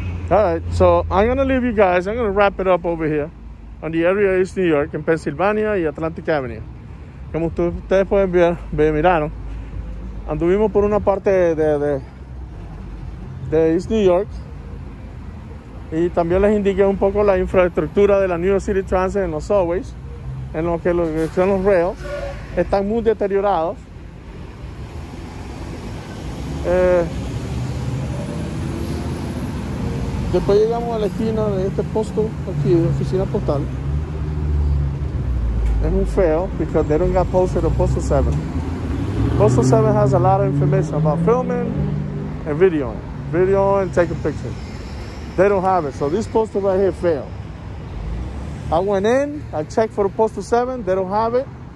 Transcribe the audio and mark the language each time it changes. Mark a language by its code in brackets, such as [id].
[en] All right, so I'm gonna leave you guys. I'm gonna wrap it up over here on the area of East New York in Pennsylvania y Atlantic Avenue. [es] Como ustedes pueden ver, miraron, anduvimos por una parte de East New York y también les indiqué un poco la infraestructura de la New York City Transit en los subways, en lo que son los rails. Están muy deteriorados. Después llegamos a la esquina de este posto aquí, de oficina postal. Es un [en] fail, because they don't got posted on Postal 7. Postal 7 has a lot of information about filming and videoing. Video and taking pictures. They don't have it, so this posto right here failed. I went in, I checked for the Postal 7, they don't have it.